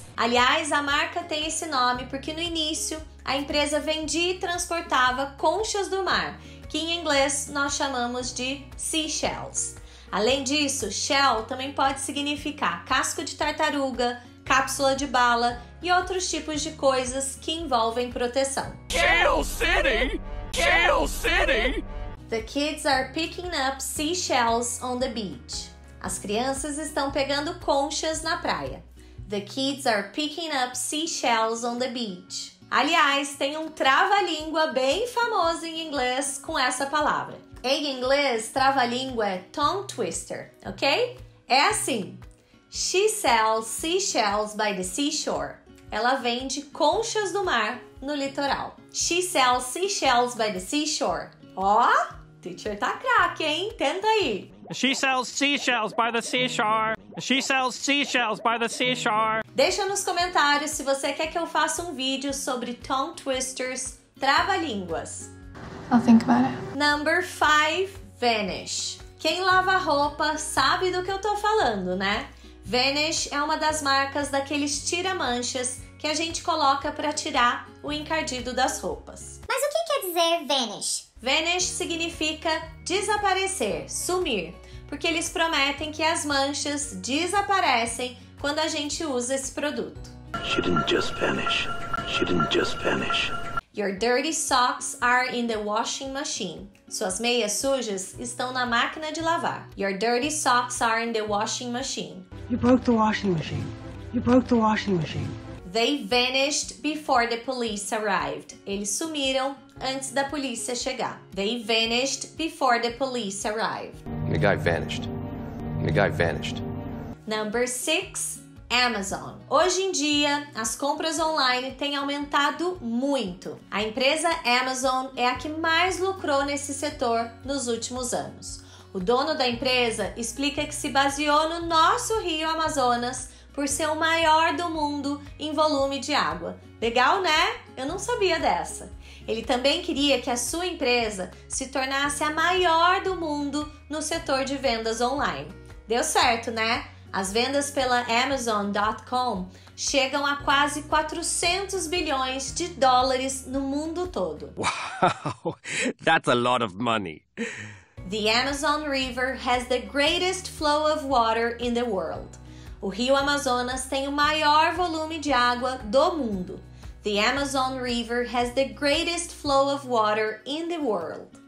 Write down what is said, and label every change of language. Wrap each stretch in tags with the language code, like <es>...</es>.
<pt>Aliás, a marca tem esse nome porque no início a empresa vendia e transportava conchas do mar, que em inglês nós chamamos de seashells. Além disso, shell também pode significar casco de tartaruga, cápsula de bala e outros tipos de coisas que envolvem proteção.</pt> <en>Kale City! Kale City! The kids are picking up seashells on the beach.</en> <pt>As crianças estão pegando conchas na praia.</pt> <en>The kids are picking up seashells on the beach.</en> <pt>Aliás, tem um trava-língua bem famoso em inglês com essa palavra. Em inglês, trava-língua é tongue twister, ok? É assim.</pt> <en>She sells seashells by the seashore.</en> <pt>Ela vende conchas do mar no litoral.</pt> <en>She sells seashells by the seashore.</en> <pt>Ó, teacher tá craque, hein? Tenta aí.</pt> <en>She sells seashells by the seashore. She sells seashells by the seashore.</en> <pt>Deixa nos comentários se você quer que eu faça um vídeo sobre tongue twisters, trava-línguas.</pt> <en>I'll think about it. Number 5, vanish.</en> <pt>Quem lava roupa sabe do que eu tô falando, né? Vanish é uma das marcas daqueles tira-manchas que a gente coloca para tirar o encardido das roupas. Mas o que quer dizer vanish? Vanish significa desaparecer, sumir, porque eles prometem que as manchas desaparecem quando a gente usa esse produto.</pt> <en>She didn't just vanish. She didn't just vanish. Your dirty socks are in the washing machine.</en> <pt>Suas meias sujas estão na máquina de lavar.</pt> <en>Your dirty socks are in the washing machine. You broke the washing machine. You broke the washing machine. They vanished before the police arrived.</en> <pt>Eles sumiram antes da polícia chegar.</pt> <en>They vanished before the police arrived. The guy vanished. The guy vanished. Number 6, Amazon.</en> <pt>Hoje em dia, as compras online têm aumentado muito. A empresa Amazon é a que mais lucrou nesse setor nos últimos anos. O dono da empresa explica que se baseou no nosso rio Amazonas por ser o maior do mundo em volume de água. Legal, né? Eu não sabia dessa. Ele também queria que a sua empresa se tornasse a maior do mundo no setor de vendas online. Deu certo, né? As vendas pela Amazon.com chegam a quase 400 bilhões de dólares no mundo todo.</pt> <en>Wow, that's a lot of money. The Amazon River has the greatest flow of water in the world.</en> <pt>O rio Amazonas tem o maior volume de água do mundo.</pt> <en>The Amazon River has the greatest flow of water in the world.</en>